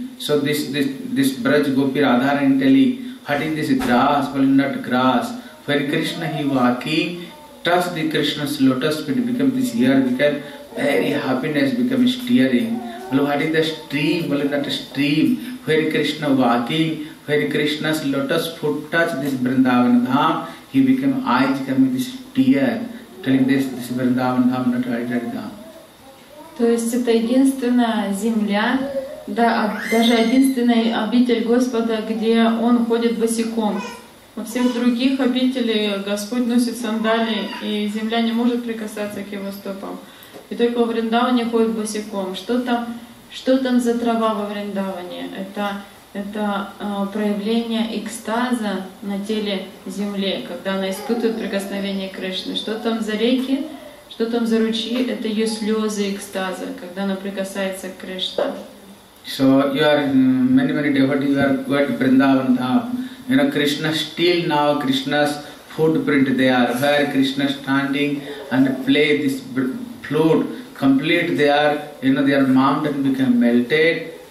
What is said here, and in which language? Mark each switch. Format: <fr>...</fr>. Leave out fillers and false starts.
<en>So this Braj Gopi Radharani telling, what is this grass, well not grass, when Krishna he walking, touch the Krishna's lotus feet, become this ear, become very happiness, become stirring. Well, what is the stream, well not a stream, when Krishna walking, when Krishna's lotus foot touch this Vrindavan Dham, he become eyes become this tear, telling this Vrindavan Dham not ordinary Dham.</en> <ru>То есть это единственная земля, да, даже единственный обитель Господа, где Он ходит босиком. Во всех других обителях Господь носит сандалии, и земля не может прикасаться к Его стопам. И только во Вриндаване ходит босиком. Что там за трава во Вриндаване? Это проявление экстаза на теле земли, когда она испытывает прикосновение Кришны. Что там за реки? Что там за ручьи? Это ее слезы экстаза, когда она прикасается к Кришне.</ru> <en>So you are many devotees are going to Vrindavan Dham. You know Krishna still now Krishna's footprint there, where Krishna standing and play this flute complete there, you know their mountain become melted.</en>